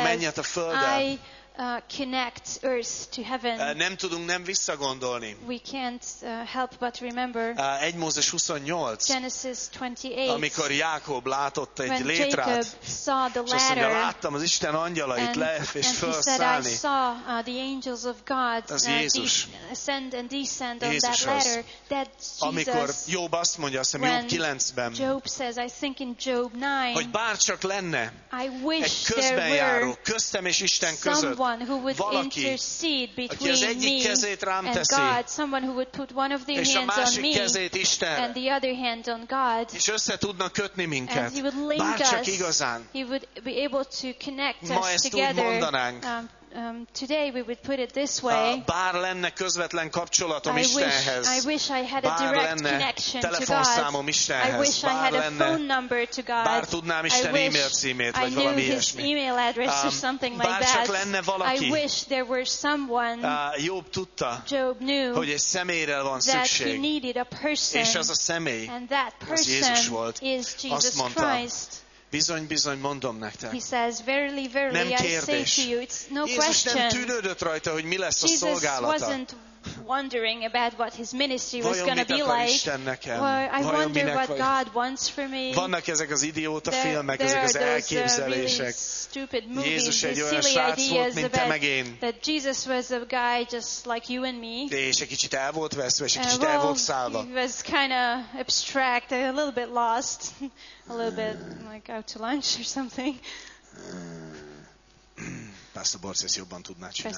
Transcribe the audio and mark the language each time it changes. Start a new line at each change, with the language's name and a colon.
Hungarian: a mennyet a földdel.
English: connect earth to heaven.
Hungarian: Nem tudunk nem visszagondolni.
English: We can't help but remember.
Hungarian: 1 Mózes 28.
English: Genesis 28.
Hungarian: Amikor Jákob látott egy létrát.
English: When Jacob saw the ladder.
Hungarian: És azt mondja, láttam az Isten angyalait lef és felszállni.
English: And he said, I saw the angels of God ascend and descend on that ladder. That Jesus.
Hungarian: Amikor Jób azt mondja, azt hiszem, Jób 9-ben.
English: Job says, I think in Job 9.
Hungarian: Hogy bárcsak lenne.
English: I wish
Hungarian: egy közbenjáró, köztem és Isten között.
English: Someone who would intercede between me and God, someone who would put one of their hands on me and the other hand on God,
Hungarian: és össze tudna kötni minket,
English: and he would link
Hungarian: bárcsak
English: us,
Hungarian: igazán.
English: He would be able to connect us together. Today we would put it this way.
Hungarian: Bár lenne közvetlen kapcsolatom Istenhez.
English: I wish I had a direct connection to God.
Hungarian: Bár lenne telefonszámom
English: I wish I had a phone number to God.
Hungarian: Bár tudnám Isten e-mail címét, vagy valami ilyesmi.
English: I wish I knew his email address or something like that.
Hungarian: Bár csak lenne valaki.
English: I wish there were someone.
Hungarian: Job tudta.
English: Job knew.
Hungarian: Hogy egy személyre van
English: that
Hungarian: szükség.
English: That he needed a person.
Hungarian: És az a személy.
English: And that person
Hungarian: az Jézus volt.
English: Is Jesus
Hungarian: azt mondta,
English: Christ.
Hungarian: Bizony-bizony mondom nektek.
English: He says, verily, verily,
Hungarian: nem kérdés.
English: I say to you, it's no
Hungarian: Jézus
English: question.
Hungarian: Nem tűnődött rajta, hogy mi lesz
English: Jesus
Hungarian: a szolgálata.
English: Wasn't wondering about what his ministry was going to be like.
Hungarian: Vajon mit akar Isten nekem?
English: I wonder what God wants for me.
Hungarian: Vannak ezek az idióta filmek, ezek az elképzelések. Jézus egy olyan srác volt, mint te meg én.
English: That Jesus was a guy just like you and me.
Hungarian: És egy kicsit el volt veszve, és egy kicsit el volt szállva.
English: He was kind of abstract, a little bit lost. A little bit like out to lunch or something.
Hungarian: Pastor Borzi ezt jobban tudná csinálni.